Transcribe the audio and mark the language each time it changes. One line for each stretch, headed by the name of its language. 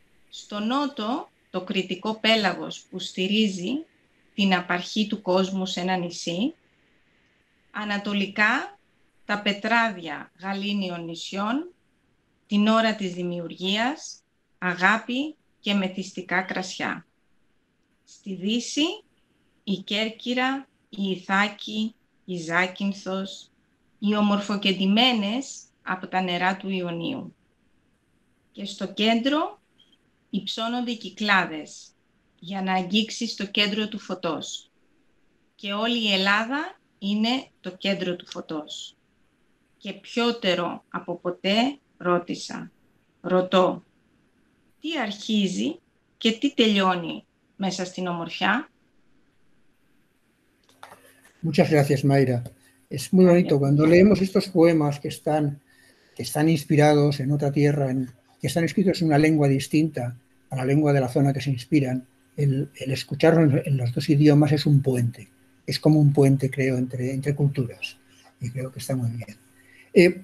Greek: στο νότο το κριτικό πέλαγος που στηρίζει την απαρχή του κόσμου σε ένα νησί, ανατολικά τα πετράδια γαλήνιων νησιών, την ώρα της δημιουργίας, αγάπη και μεθυστικά κρασιά. Στη Δύση, η Κέρκυρα, η Ιθάκη, η Ζάκυνθος, οι ομορφοκεντημένες από τα νερά του Ιωνίου. Και στο κέντρο υψώνονται οι Κυκλάδες για να αγγίξει το κέντρο του φωτός. Και όλη η Ελλάδα είναι το κέντρο του φωτός. Και πιότερο από ποτέ ρώτησα. Ρωτώ, τι αρχίζει και τι τελειώνει μέσα στην ομορφιά?
Spanish: Muchas gracias, Mayra. Es muy bonito cuando leemos estos poemas que están inspirados en otra tierra, que están escritos en una lengua distinta a la lengua de la zona que se inspiran, el escucharlo en los dos idiomas es un puente. Es como un puente, creo, entre culturas. Y creo que está muy bien.